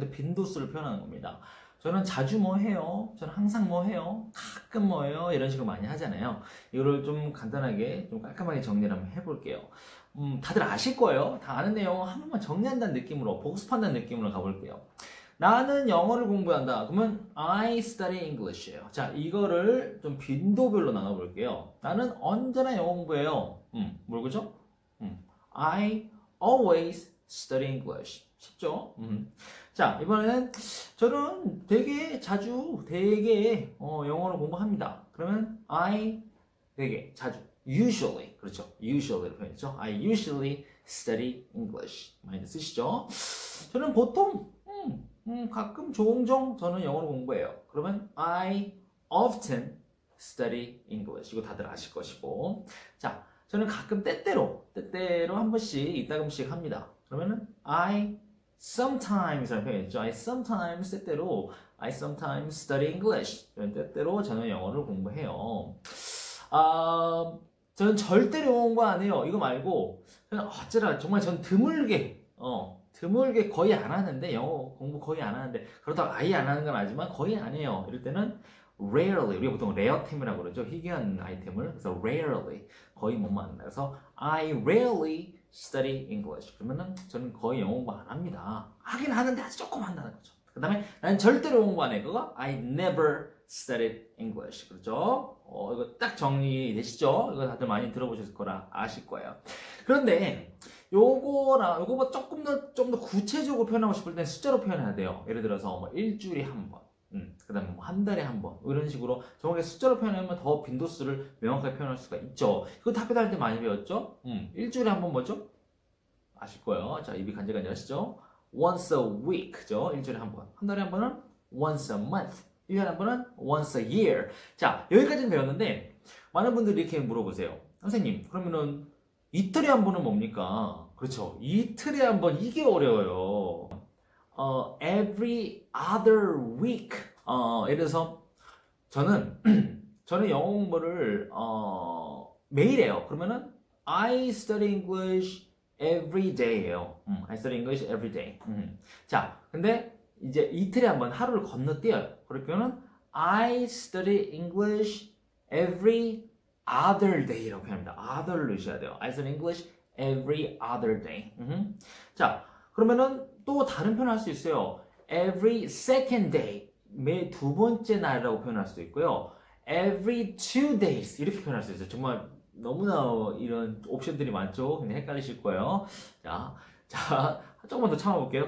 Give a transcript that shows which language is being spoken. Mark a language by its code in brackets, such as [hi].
[ko] 빈도수를 표현하는 겁니다. 저는 자주 뭐 해요? 저는 항상 뭐 해요? 가끔 뭐 해요? 이런 식으로 많이 하잖아요. 이거를 좀 간단하게, 좀 깔끔하게 정리를 한번 해볼게요. 다들 아실 거예요? 다 아는 내용 한 번만 정리한다는 느낌으로, 복습한다는 느낌으로 가볼게요. 나는 영어를 공부한다. 그러면 [en] I study English예요. [ko] 자, 이거를 좀 빈도별로 나눠볼게요. 나는 언제나 영어 공부해요. 뭘 그죠? [en] I always study English. [ko] 쉽죠? 자, 이번에는 저는 되게 자주, 되게 영어를 공부합니다. 그러면 I 되게 자주, usually, 그렇죠? usually로 표현했죠? [en] I usually study English [ko] 많이 쓰시죠? 저는 보통, 가끔 종종 저는 영어를 공부해요. [en] 그러면 I often study English. [ko] 이거 다들 아실 것이고. 자, 저는 가끔 때때로 한 번씩, 이따금씩 합니다. 그러면은 [en] I sometimes [ko] 표현했죠. [en] I sometimes [ko] 때때로 [en] I sometimes study English. [ko] 이런 때때로 저는 영어를 공부해요. 저는 절대로 영어 공부 안 해요. 이거 말고 그냥 어쩌나 정말 전 드물게 거의 안 하는데 영어 공부 거의 안 하는데 그렇다고 아예 안 하는 건 아니지만 거의 안 해요. 이럴 때는 rarely 우리가 보통 레어템이라고 그러죠. 희귀한 아이템을 그래서 rarely 거의 못 만나요. [en] 그래서 I rarely study English. [ko] 그러면은 저는 거의 영어 공부 안 합니다. 하긴 하는데 아주 조금 한다는 거죠. 그 다음에 나는 절대로 영어 공부 안 해. [en] 그거 I never studied English. [ko] 그렇죠? 이거 딱 정리되시죠? 이거 다들 많이 들어보셨을 거라 아실 거예요. 그런데 요거보다 좀더 구체적으로 표현하고 싶을 땐 숫자로 표현해야 돼요. 예를 들어서 뭐 일주일에 한 번, 그 다음에 뭐한 달에 한 번, 이런 식으로 정확하게 숫자로 표현하면 더 빈도수를 명확하게 표현할 수가 있죠. 이거 학교 다닐 때 많이 배웠죠? 일주일에 한번 뭐죠? 아실 거예요. 자, 입이 간질간질 하시죠? [en] Once a week죠. [ko] 일주일에 한 번. 한 달에 한 번은 [en] once a month. [ko] 1년에 한 번은 [en] once a year. [ko] 자, 여기까지는 배웠는데, 많은 분들이 이렇게 물어보세요. 선생님, 그러면은 이틀에 한 번은 뭡니까? 그렇죠. 이틀에 한 번, 이게 어려워요. [en] Every other week. [ko] 예를 들어서, 저는 영어 공부를, 매일 해요. 그러면은, [en] I study English every day예요. I study English every day. [ko] 자, 근데 이제 이틀에 한 번, 하루를 건너뛰어요. 그렇게는 [en] I study English every other day라고 [ko] 표현합니다. other를 넣으셔야 돼요. [en] I study English every other day. [ko] 자, 그러면은 또 다른 표현할 수 있어요. [en] Every second day. [ko] 매두 번째 날이라고 표현할 수도 있고요. [en] Every 2 days. [ko] 이렇게 표현할 수 있어요. 정말 너무나 이런 옵션들이 많죠? 근데 헷갈리실 거예요. 자, 조금만 더 참아볼게요.